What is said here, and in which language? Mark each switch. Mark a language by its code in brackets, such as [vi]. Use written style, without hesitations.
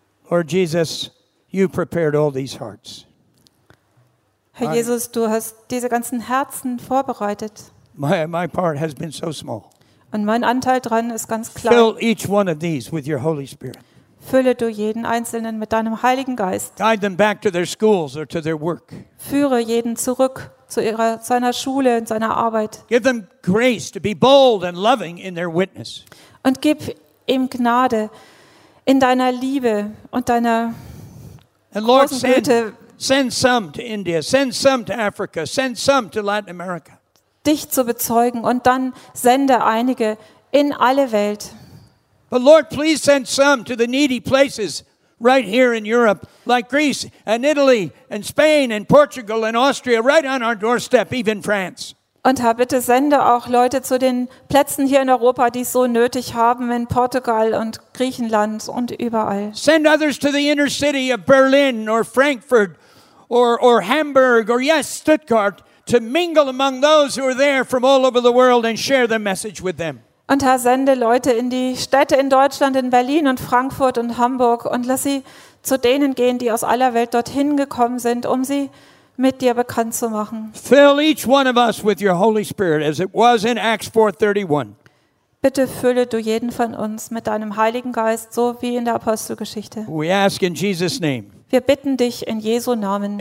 [en] Lord Jesus, you prepared all these hearts. [de] Herr Jesus, du hast diese ganzen Herzen vorbereitet. [en] My part has been so small. [de] Und mein Anteil dran ist ganz klar. [en] Fill each one of these with your Holy Spirit. [de] Fülle du jeden einzelnen mit deinem Heiligen Geist. [en] Guide them back to their schools or to their work. [de] Führe jeden zurück zu seiner Schule und seiner Arbeit. [en] Give them grace to be bold and loving in their witness. [de] Und gib ihm Gnade in deiner Liebe und deiner großen Güte. [en] Send some to India, send some to Africa, send some to Latin America. [de] Dich zu bezeugen und dann sende einige in alle Welt. [en] But Lord, please send some to the needy places right here in Europe, like Greece and Italy and Spain and Portugal and Austria, right on our doorstep, even France. [de] Und Herr, bitte sende auch Leute zu den Plätzen hier in Europa, die es so nötig haben, in Portugal und Griechenland und überall. [en] Send others to the inner city of Berlin or Frankfurt or Hamburg or yes, Stuttgart, to mingle among those who are there from all over the world and share the message with them. [de] Und Herr, sende Leute in die Städte in Deutschland, in Berlin und Frankfurt und Hamburg, und lass sie zu denen gehen, die aus aller Welt dorthin gekommen sind, um sie mit dir bekannt zu machen. [en] Fill each one of us with your Holy Spirit, as it was in Acts 4:31. [de] Bitte fülle du jeden von uns mit deinem Heiligen Geist, so wie in der Apostelgeschichte. [en] We ask in Jesus' name. [de] Wir bitten dich in Jesu Namen.